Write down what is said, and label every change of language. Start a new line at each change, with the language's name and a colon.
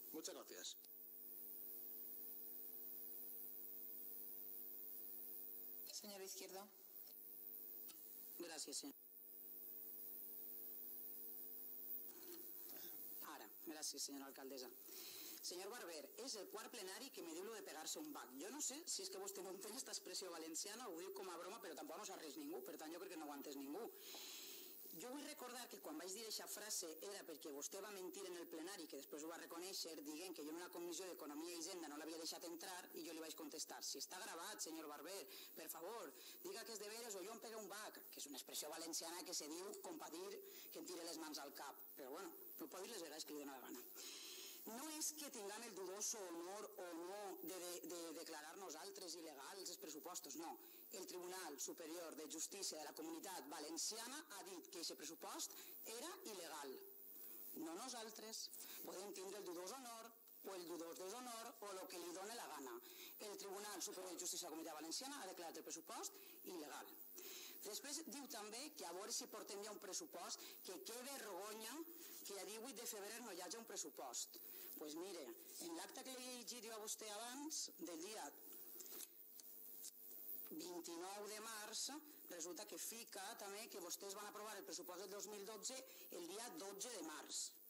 Spanish: Muchas gracias. Señor Izquierdo. Gracias, señor. Ahora, gracias, señora alcaldesa.
Catalan: Señor Barber, és el quart plenari que me diu lo de pegar-se un bac. Jo no sé si és que vostè no entén aquesta expressió valenciana, ho diu com a broma, però tampoc no s'ha res ningú, per tant jo crec que no ho ha entès ningú. Jo vull recordar que quan vaig dir aquesta frase era perquè vostè va mentir en el plenari, que després ho va reconèixer, dient que jo en una comissió d'Economia i Hisenda no l'havia deixat entrar, i jo li vaig contestar, si està gravat, senyor Barber, per favor, diga que és de veres o jo em pegue un bac, que és una expressió valenciana que se diu com pa dir que em tire les mans al cap. Però bueno, ho pot dir les vegades que li dono la gana. No és que tinguem
Spanish: el dudoso honor
Catalan: o no de declarar nosaltres il·legals els pressupostos, no. El Tribunal Superior de Justícia de la Comunitat Valenciana ha dit que aquest pressupost era il·legal. No nosaltres. Podem tindre
Spanish: el dudoso honor
Catalan: o el dudós deshonor o el que li doni la gana. El Tribunal Superior de Justícia de la Comunitat Valenciana ha declarat el pressupost il·legal. Després diu també que a veure si portem ja un pressupost, que què vergonya que a 18 de febrer no hi hagi un pressupost.
Spanish: Pues mire,
Catalan: en l'acte que li he llegit jo a vostè abans, del dia 29 de març, resulta que fica també que vostès van aprovar el pressupost del 2012 el dia 12 de març.